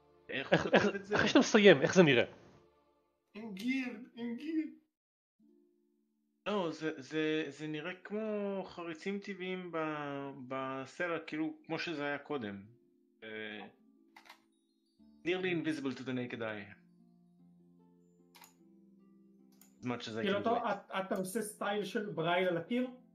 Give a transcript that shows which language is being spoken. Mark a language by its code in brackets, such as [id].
[he] איך שאתה מסיים, איך זה נראה? עם גיר. לא, זה נראה כמו חריצים טבעיים בסלע, כאילו כמו שזה היה קודם. [en] Nearly invisible to the naked eye. As much as I can do it. [he] אתה עושה סטייל של ברייל על הקיר?